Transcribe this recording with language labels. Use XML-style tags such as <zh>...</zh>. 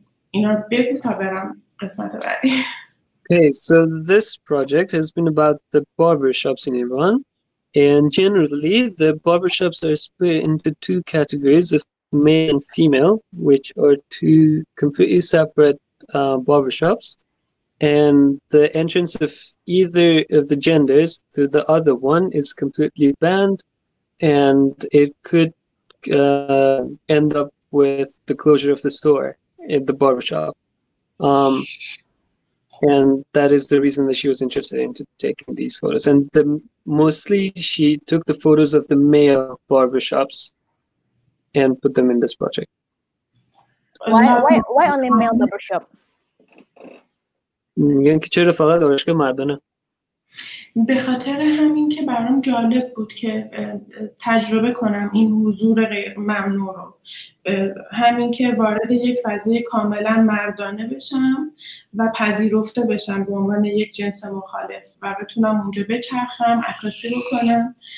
<fa>اینا بگو تا برم قسمت بعدی.</fa> <en>Okay, so this project has been about the barbershops in Iran. And generally, the barbershops are split into two categories of male and female, which are two completely separate barbershops. And the entrance of either of the genders to the other one is completely banned, and it could end up with the closure of the store at the barbershop. And that is the reason that she was interested in taking these photos. And mostly she took the photos of the male barbershops and put them in this project. Why only male barbershop?</en> <fa>میگن که چرا فقط آرایشگاه مردانه؟ به خاطر همین که برام جالب بود که تجربه کنم این حضور غیر ممنوع رو، همین که وارد یک فضای کاملا مردانه بشم و پذیرفته بشم به عنوان یک جنس مخالف و بتونم اونجا بچرخم، عکاسی بکنم.</fa>